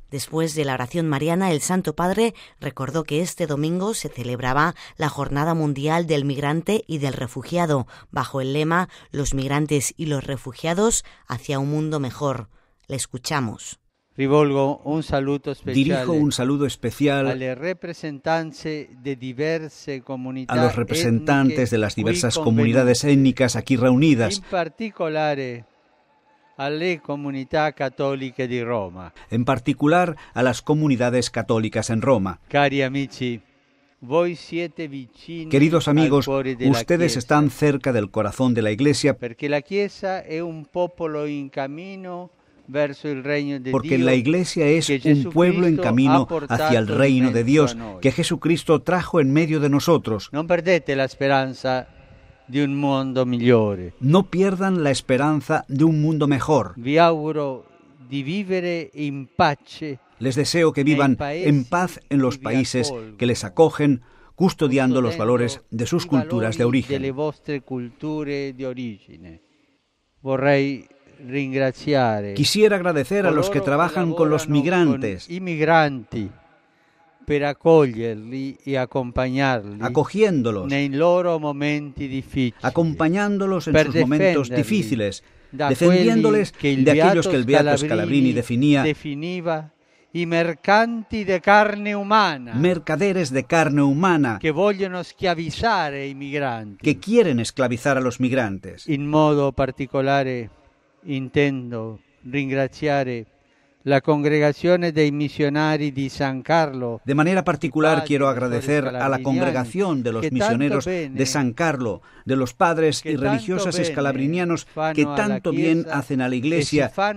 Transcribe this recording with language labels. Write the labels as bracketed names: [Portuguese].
[Spanish] Después de la oración mariana, el Santo Padre recordó que este domingo se celebraba la Jornada Mundial del Migrante y del Refugiado, bajo el lema «Los migrantes y los refugiados hacia un mundo mejor». Le escuchamos. [Italian] Rivolgo un saluto speciale. [Spanish] Dirijo un saludo especial a los representantes de las diversas comunidades étnicas aquí reunidas. En particular, [Italian] alle comunità cattoliche di Roma. [Spanish] En particular a las comunidades católicas en Roma. [Italian] Cari amici, voi siete vicini. [Spanish] Queridos amigos, ustedes están cerca del corazón de la Iglesia. [Italian] Perché la Chiesa è un popolo in cammino verso il regno di Dio. [Spanish] Porque la Iglesia es un pueblo en camino hacia el reino de Dios que Jesucristo trajo en medio de nosotros. [Italian] Non perdete la speranza di un mondo migliore. [Spanish] No pierdan la esperanza de un mundo mejor. [Italian] Vi auguro di vivere in pace. [Spanish] Les deseo que vivan en paz en los países que les acogen, custodiando los valores de sus culturas de origen. [Italian] Delle vostre culture di origine. Vorrei ringraziare. [Spanish] Quisiera agradecer a los que trabajan con los migrantes. [Italian] I migranti. Per accoglierli e accompagnarli, [Spanish] acogiéndolos, [Italian] nei loro momenti difficili, [Spanish] acompañándolos en sus momentos difíciles, defendiéndoles de aquellos que el Beato Scalabrini definía [Italian] i mercanti [Spanish] de carne humana, mercaderes de carne humana, [Italian] que vogliono schiavizzare i migranti, [Spanish] que quieren esclavizar a los migrantes. [Italian] In modo particolare intendo ringraziare [Spanish] La Congregación de Misionarios de San Carlos. De manera particular quiero agradecer a la Congregación de los Misioneros de San Carlos, de los padres y religiosas escalabrinianos que tanto bien hacen a la Iglesia.